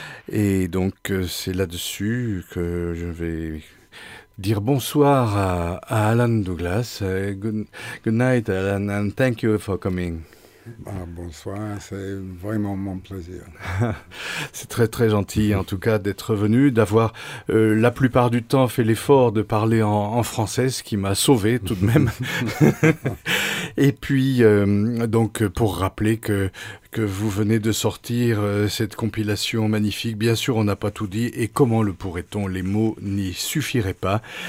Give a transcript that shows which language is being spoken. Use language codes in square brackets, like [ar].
[fr] Et donc, c'est là-dessus que je vais dire bonsoir à Alan Douglas. [en] Good night, Alan, and thank you for coming. [fr] Ah, bonsoir, c'est vraiment mon plaisir. C'est très très gentil en tout cas d'être venu, d'avoir la plupart du temps fait l'effort de parler en français, ce qui m'a sauvé tout de même. Et puis donc pour rappeler que vous venez de sortir cette compilation magnifique, bien sûr on n'a pas tout dit et comment le pourrait-on, les mots n'y suffiraient pas.